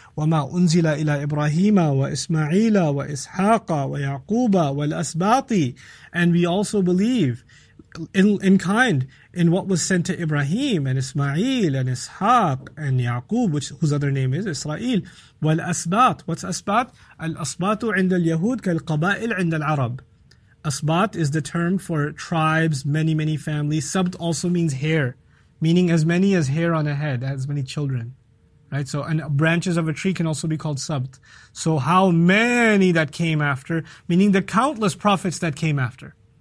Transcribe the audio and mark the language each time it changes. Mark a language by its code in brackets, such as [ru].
[ar] وَمَا أُنزِلَ إِلَىٰ إِبْرَاهِيمَ وَإِسْمَعِيلَ وَإِسْحَاقَ وَيَعْقُوبَ وَالْأَسْبَاطِ. [en] And we also believe in kind in what was sent to Ibrahim and Ismail and Ishaq and Yaqub, whose other name is Israel. Wal Asbat. What's Asbat? [ar] Al Asbatu عند اليهود كالقبائل عند العرب. [en] Asbat is the term for tribes, many, many families. Sabt also means hair, meaning as many as hair on a head, as many children. Right? So, and branches of a tree can also be called Sabt. So, how many that came after, meaning the countless prophets that came after.